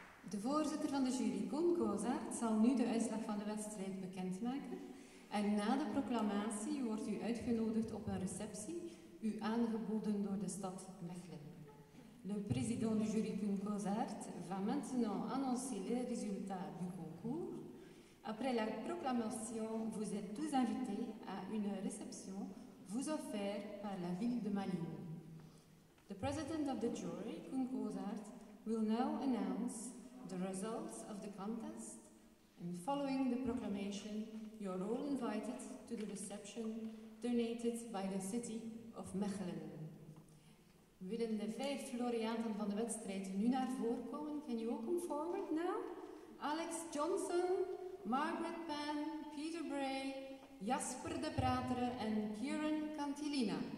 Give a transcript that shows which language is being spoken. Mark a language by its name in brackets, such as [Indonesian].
[Dutch] De voorzitter van de jury, Koen Kozaert, zal nu de uitslag van de wedstrijd bekendmaken. En na de proclamatie wordt u uitgenodigd op een receptie, u aangeboden door de stad Mechelen. [French] Le président du jury Koen Kozaert va maintenant annoncer les résultats du concours. Après la proclamation, vous êtes tous invités à une réception vous offerte par la ville de Malines. [English] The president of the jury, Koen Kozaert, will now announce the results of the contest. And following the proclamation, you're all invited to the reception donated by the city of Mechelen. [Dutch] Willen de 5 laureaten van de wedstrijd nu naar voren komen? [English] Can you all come forward now? Alex Johnson, Margaret Penn, Peter Bray, Jasper de Prateren en Kieran Cantilina.